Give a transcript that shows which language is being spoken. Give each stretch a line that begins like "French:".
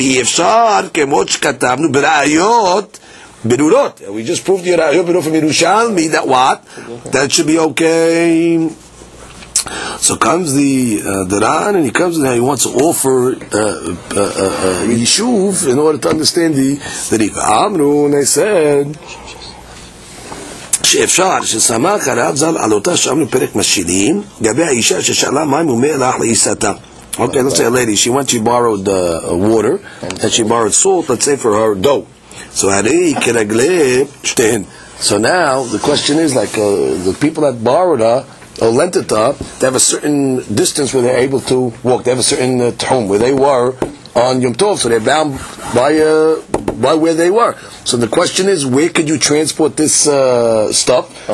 Hebrew: V'yefshar kemot shkatavnu b'rayot b'rurot.
English: We just proved the rayot b'rurot from Yerushalmi, that what? That should be okay. So comes the Ran, and he comes and he wants to offer Yishuv in order to understand the Riva.
Hebrew: Amru,
English: and they said,
Hebrew: שאפשר ששמח הרב זל על אותה שאמרו פרק משילים, גבי האישה ששאלה מים ומלח לאיסתה.
English: Okay, let's say a lady, she went, she borrowed water, and she borrowed salt, let's say, for her dough.
Hebrew: So הרי כרגלי שתיהן.
English: So now, the question is, like, the people that borrowed her, or lent it up, they have a certain distance where they're able to walk. They have a certain tchum where they were on Yom Tov, so they're bound by where they were. So the question is, where could you transport this stuff? Oh.